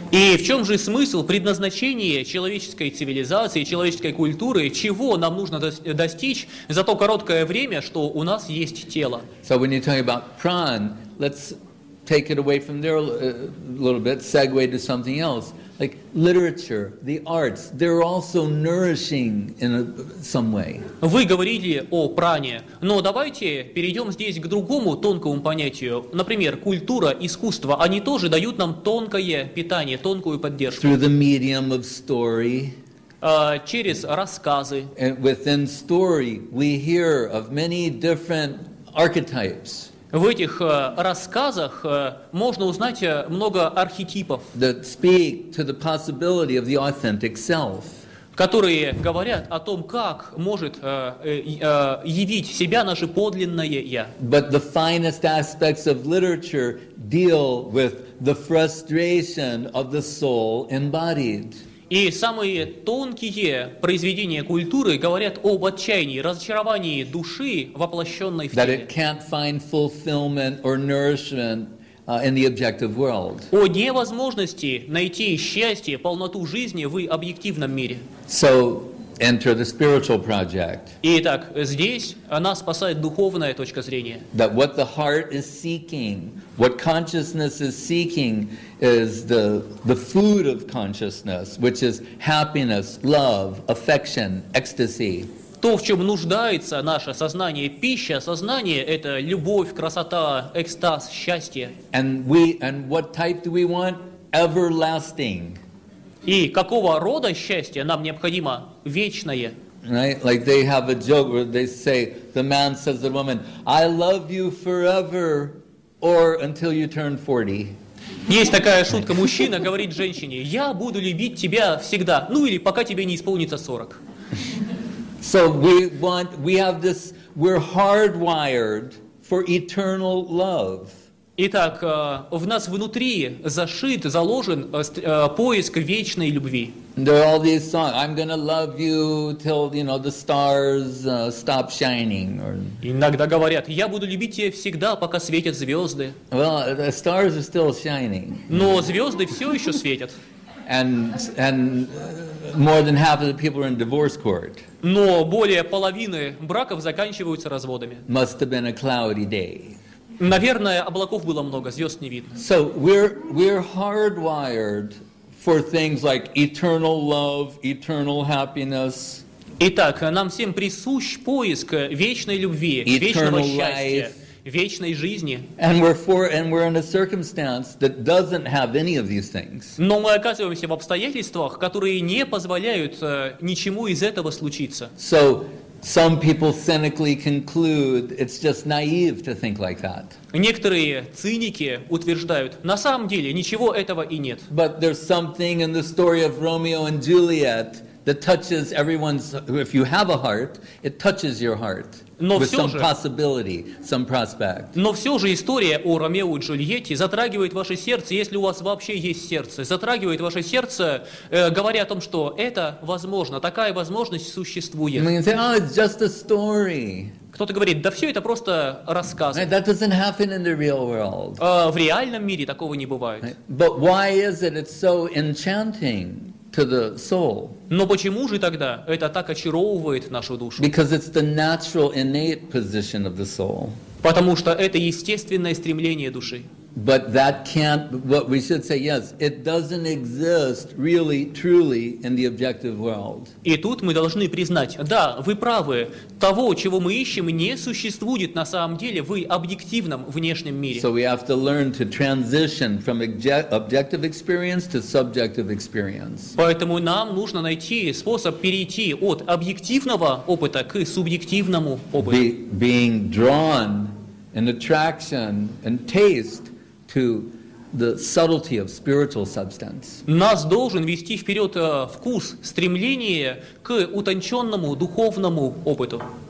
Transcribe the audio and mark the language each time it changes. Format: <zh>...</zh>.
<ru>И в чем же смысл, предназначение человеческой цивилизации, человеческой культуры, чего нам нужно достичь за то короткое время, что у нас есть тело?</ru> <en>So when you're talking about prana, let's take it away from there a little bit, segue to something else. Like literature, the arts, they're also nourishing in some way.</en> <ru>Вы говорили о пране, но давайте перейдем здесь к другому тонкому понятию. Например, культура, искусство, они тоже дают нам тонкое питание, тонкую поддержку.</ru> <en>Through the medium of story.</en> <ru>Через рассказы.</ru> <en>And within story, we hear of many different archetypes.</en> <ru>В этих рассказах можно узнать много архетипов,</ru> <en>that speak to the possibility of the authentic self.</en> <ru>которые говорят о том, как может явить себя наше подлинное «я».</ru> <en>But the finest aspects of literature deal with the frustration of the soul embodied.</en> <ru>И самые тонкие произведения культуры говорят об отчаянии, разочаровании души, воплощенной в теле.</ru> <en>That it can't find fulfillment or nourishment in the objective world.</en> <ru>О невозможности найти счастье, полноту жизни в объективном мире.</ru> <en>So, enter the spiritual project.</en> <ru>Итак, здесь она спасает духовная точка зрения.</ru> <en>That what the heart is seeking, what consciousness is seeking, is the food of consciousness, which is happiness, love, affection, ecstasy.</en> <ru>То, в чем нуждается наше сознание, пища сознания, это любовь, красота, экстаз, счастье.</ru> <en>And what type do we want? Everlasting.</en> <ru>И какого рода счастье нам необходимо? Вечное.</ru> <en>Right? Like they have a joke where they say, the man says to the woman, I love you forever or until you turn 40.</en> <ru>Есть такая шутка, мужчина говорит женщине, я буду любить тебя всегда, ну или пока тебе не исполнится 40.</ru> <en>So we have this, we're hardwired for eternal love.</en> <ru>Итак, в нас внутри зашит, заложен поиск вечной любви.</ru> <en>There are all these songs, I'm gonna love you till, you know, the stars stop shining.</en> <ru>Иногда говорят, я буду любить тебя всегда, пока светят звезды.</ru> <en>Well, the stars are still shining.</en> <ru>Но звезды все еще светят.</ru> <en>And more than half of the people are in divorce court.</en> <ru>Но более половины браков заканчиваются разводами.</ru> <en>Must have been a cloudy day.</en> <ru>Наверное, облаков было много, звезд не видно.</ru> <en>So we're hardwired for things like eternal love, eternal happiness.</en> <ru>Итак, нам всем присущ поиск вечной любви, вечного счастья,</ru> <en>life,</en> <ru>вечной жизни.</ru> <en>And we're in a circumstance that doesn't have any of these things.</en> <ru>Но мы оказываемся в обстоятельствах, которые не позволяют ничему из этого случиться.</ru> <en>So some people cynically conclude it's just naive to think like that.</en> <ru>Некоторые циники утверждают, на самом деле ничего этого и нет.</ru> <en>But there's something in the story of Romeo and Juliet that touches everyone's, if you have a heart, it touches your heart.</en> <ru>Но</ru> <en>with some possibility, some prospect.</en> <ru>Но все же история о Ромео и Джульетте затрагивает ваше сердце, если у вас вообще есть сердце, затрагивает ваше сердце, говоря о том, что это возможно, такая возможность существует.</ru> <en>You say, oh, it's just a story.</en> <ru>Кто-то говорит, да все это просто рассказ.</ru> <en>That doesn't happen in the real world.</en> <ru>В реальном мире такого не бывает.</ru> <en>But why is it it's so enchanting to the soul?</en> <ru>Но почему же тогда это так очаровывает нашу душу?</ru> <en>Because it's the natural innate position of the soul.</en> <ru>Потому что это естественное стремление души.</ru> <en>But that can't, what we should say, yes, it doesn't exist really, truly in the objective world.</en> <ru>И тут мы должны признать, да, вы правы, того, чего мы ищем, не существует на самом деле в объективном внешнем мире.</ru> <en>So we have to learn to transition from objective experience to subjective experience.</en> <ru>Поэтому нам нужно найти способ перейти от объективного опыта к субъективному опыту.</ru> <en>Being drawn in attraction and taste to the subtlety of spiritual substance.</en> <ru>Нас должен вести вперед вкус, стремление к утонченному духовному опыту.</ru>